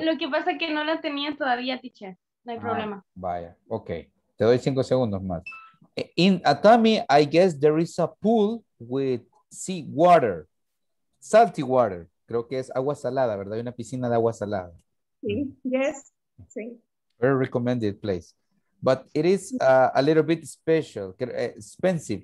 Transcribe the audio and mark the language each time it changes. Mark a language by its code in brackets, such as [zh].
[es] Sí, lo que pasa es que no la tenía todavía, teacher. No hay problema. Vaya, okay. Te doy 5 segundos más. [en] In Atami, I guess there is a pool with sea water. salty water. [es] Creo que es agua salada, ¿verdad? Hay una piscina de agua salada. Sí, yes, sí. [en] Very recommended place. But it is a little bit special, expensive.